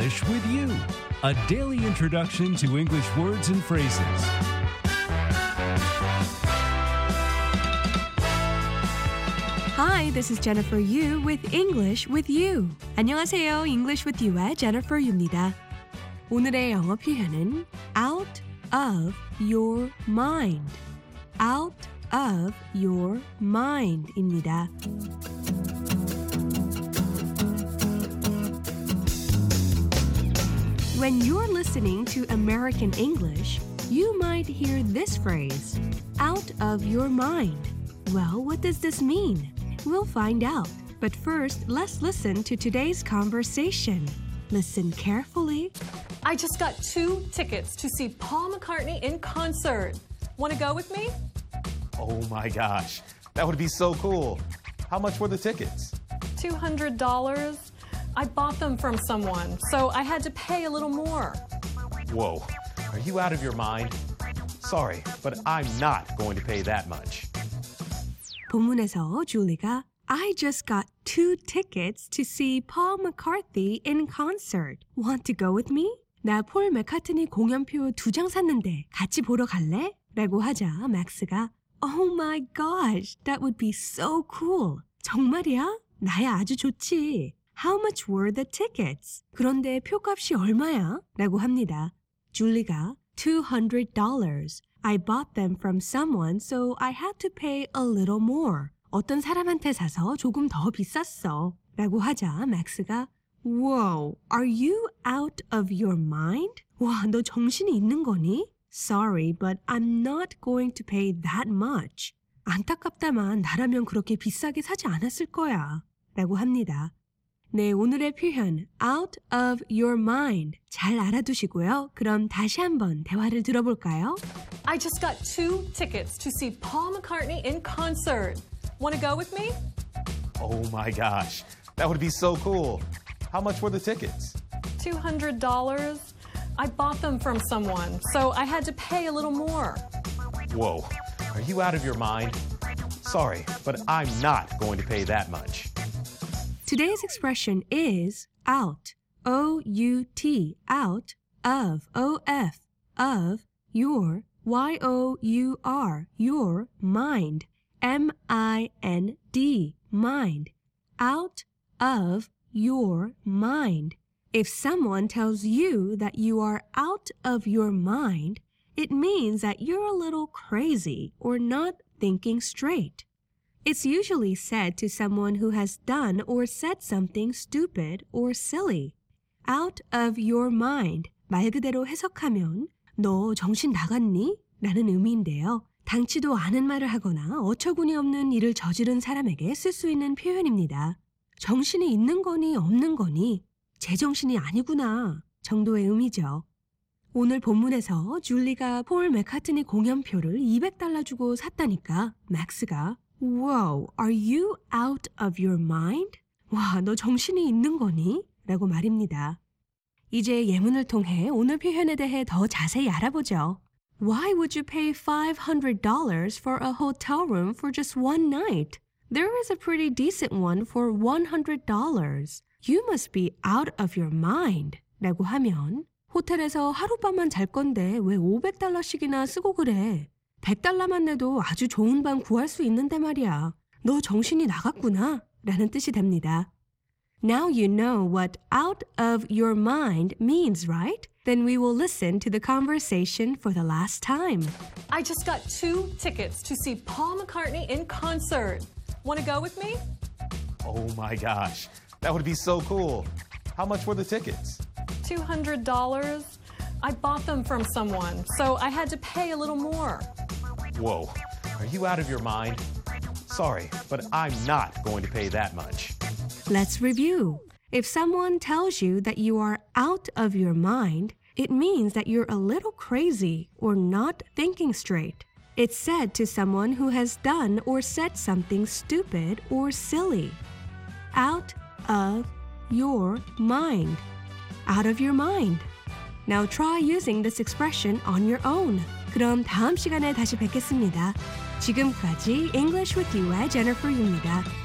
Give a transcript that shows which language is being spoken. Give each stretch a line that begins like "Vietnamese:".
English: With you, a daily introduction to English words and phrases. Hi, this is Jennifer Yu with English with You.
Korean: 안녕하세요, English with You의 Jennifer Yu입니다. 오늘의 영어 표현은 out
English: of your mind. Out of your mind입니다. When you're listening to American English, you might hear this phrase, out of your mind. Well, what does this mean? We'll find out. But first, let's listen to today's conversation. Listen carefully. I just got two tickets to see Paul McCartney in concert. Want to go with me? Oh my gosh, that would be so cool. How much were the tickets? $200. I bought them from someone, so I had to pay a little more. Whoa, are you out of your mind? Sorry, but I'm not going to pay that much.
Korean: 본문에서 줄리가
English: I just got two tickets to see Paul McCartney in concert. Want to go with me?
Korean: 나 폴 맥카트니 공연표 두 장 샀는데 같이 보러 갈래? 라고 하자 맥스가
English: Oh my gosh, that would be so cool.
Korean: 정말이야? 나야 아주 좋지.
English: How much were the tickets?
Korean: 그런데 표값이 얼마야? 라고 합니다. 줄리가 $200.
English: I bought them from someone, so I had to pay a little more.
Korean: 어떤 사람한테 사서 조금 더 비쌌어. 라고 하자 맥스가
English: Whoa, are you out of your mind?
Korean: 와, 너 정신이 있는 거니?
English: Sorry, but I'm not going to pay that much.
Korean: 안타깝다만 나라면 그렇게 비싸게 사지 않았을 거야. 라고 합니다. 네, 오늘의 표현 out of your mind 잘 알아두시고요. 그럼 다시 한번 대화를 들어볼까요?
English: I just got two tickets to see Paul McCartney in concert. Want to go with me? Oh my gosh, that would be so cool. How much were the tickets? $200. I bought them from someone, so I had to pay a little more. Whoa, are you out of your mind? Sorry, but I'm not going to pay that much. Today's expression is out, O-U-T, out of, O-F, of your, Y-O-U-R, your mind, M-I-N-D, mind, out of your mind. If someone tells you that you are out of your mind, it means that you're a little crazy or not thinking straight. It's usually said to someone who has done or said something stupid or silly. Out of your mind.
Korean: 말 그대로 해석하면 너 정신 나갔니? 라는 의미인데요. 당치도 않은 말을 하거나 어처구니 없는 일을 저지른 사람에게 쓸 수 있는 표현입니다. 정신이 있는 거니 없는 거니? 제정신이 아니구나 정도의 의미죠. 오늘 본문에서 줄리가 폴 맥카트니 공연표를 $200 주고 샀다니까 맥스가
English: Wow, are you out of your mind?
Korean: 와, 너 정신이 있는 거니? 라고 말입니다. 이제 예문을 통해 오늘 표현에 대해 더 자세히 알아보죠.
English: Why would you pay $500 for a hotel room for just one night? There is a pretty decent one for $100. You must be out of your mind.
Korean: 라고 하면 호텔에서 하룻밤만 잘 건데 왜 $500씩이나 쓰고 그래? 100달러만 내도 아주 좋은 방 구할 수 있는데 말이야. 너 정신이 나갔구나. 라는 뜻이 됩니다.
English: Now you know what out of your mind means, right? Then we will listen to the conversation for the last time. I just got two tickets to see Paul McCartney in concert. Want to go with me? Oh my gosh, that would be so cool. How much were the tickets? $200. I bought them from someone, so I had to pay a little more. Whoa, are you out of your mind? Sorry, but I'm not going to pay that much. Let's review. If someone tells you that you are out of your mind, it means that you're a little crazy or not thinking straight. It's said to someone who has done or said something stupid or silly. Out of your mind. Out of your mind. Now try using this expression on your own.
Korean: 그럼 다음 시간에 다시 뵙겠습니다. 지금까지 English with You의 Jennifer입니다.